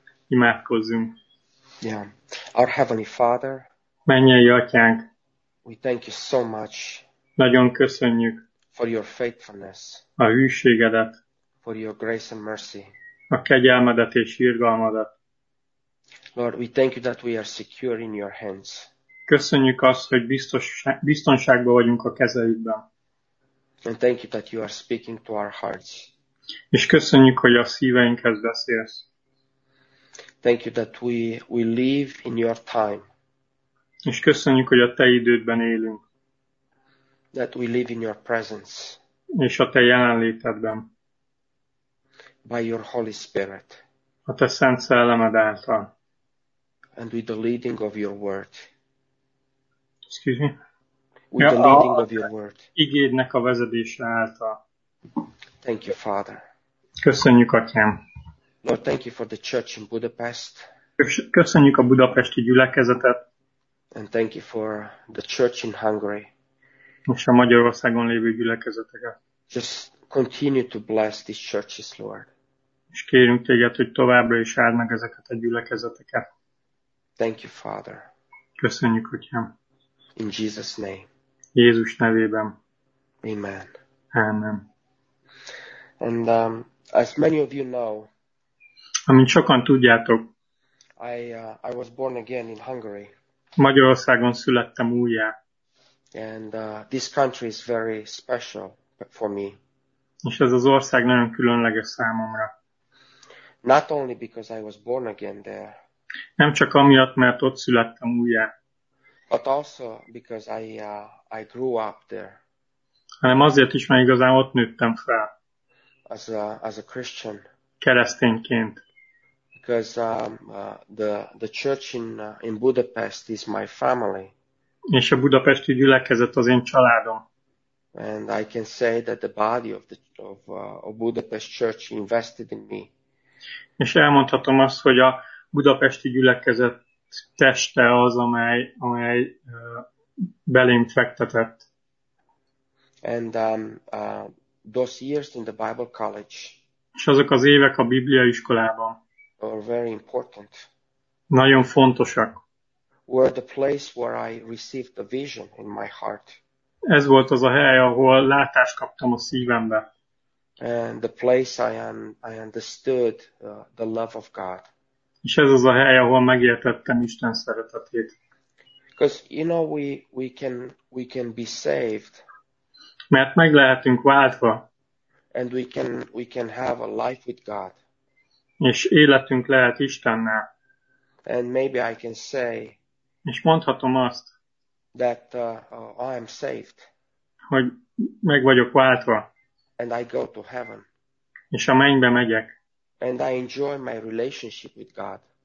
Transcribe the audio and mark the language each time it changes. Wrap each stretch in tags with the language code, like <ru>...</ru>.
<hu>Imádkozzunk.</hu> <en>Yeah. Our Heavenly Father.</en> <hu>Mennyei Atyánk.</hu> <en>We thank you so much.</en> <hu>Nagyon köszönjük.</hu> <en>For your faithfulness.</en> <hu>A hűségedet.</hu> <en>For your grace and mercy.</en> <hu>A kegyelmedet és irgalmadat.</hu> <en>Lord, we thank you that we are secure in your hands.</en> <hu>Köszönjük azt, hogy biztonságban vagyunk a kezeidben.</hu> <en>And thank you that you are speaking to our hearts.</en> <hu>És köszönjük, hogy a szíveinkhez beszélsz.</hu> <en>Thank you that we live in your time.</en> <hu>És köszönjük, hogy a te idődben élünk.</hu> <en>That we live in your presence.</en> <hu>És a te jelenlétedben.</hu> <en>By your Holy Spirit.</en> <hu>A te Szent Szellemed által.</hu> <en>And with the leading of your word. Excuse me. With the leading of your word.</en> <hu>Igédnek a vezetése által.</hu> <en>Thank you, Father.</en> <hu>Köszönjük, Atyám.</hu> <en>Lord, thank you for the church in Budapest.</en> <hu>Köszönjük a budapesti gyülekezetet.</hu> <en>And thank you for the church in Hungary.</en> <hu>És a Magyarországon lévő gyülekezeteket.</hu> <en>Just continue to bless these churches, Lord.</en> <hu>És kérünk téged, hogy továbbra is áld meg ezeket a gyülekezeteket.</hu> <en>Thank you, Father.</en> <hu>Köszönjük, Atyám.</hu> <en>In Jesus' name.</en> <hu>Jézus nevében.</hu> <en>Amen.</en> <hu>Amen.</hu> <en>And as many of you know,</en> <hu>amint sokan tudjátok,</hu> <en>I was born again in Hungary.</en> <hu>Magyarországon születtem újjá.</hu> <en>And this country is very special for me.</en> <hu>És ez az ország nagyon különleges számomra.</hu> <en>Not only because I was born again there.</en> <hu>Nem csak amiatt, mert ott születtem újjá.</hu> <en>But also because I grew up there.</en> <hu>Hanem azért is, mert igazán ott nőttem fel.</hu> <en>As a Christian.</en> <hu>Keresztényként.</hu> <en>Because the church in Budapest is my family.</en> <hu>És a budapesti gyülekezet az én családom.</hu> <en>And I can say that the body of Budapest church invested in me.</en> <hu>És elmondhatom azt, hogy a budapesti gyülekezet teste az, amely belém fektetett.</hu> <en>And those years in the Bible college.</en> <hu>És azok az évek a Biblia iskolában.</hu> <en>Are very important.</en> <hu>Nagyon fontosak.</hu> <en>Were the place where I received the vision in my heart.</en> <hu>Ez volt az a hely, ahol látást kaptam a szívembe.</hu> <en>And the place I understood the love of God.</en> <hu>És ez az a hely, ahol megértettem Isten szeretetét.</hu> <en>Because you know we can be saved.</en> <hu>Mert meg lehetünk váltva.</hu> <en>And we can have a life with God.</en> <hu>És életünk lehet Istennel.</hu> <en>And maybe I can say.</en> <hu>És mondhatom azt.</hu> <en>That I am saved.</en> <hu>Hogy meg vagyok váltva.</hu> <en>And I go to heaven.</en> <hu>És a mennybe megyek.</hu> <en>And I enjoy my relationship with God.</en>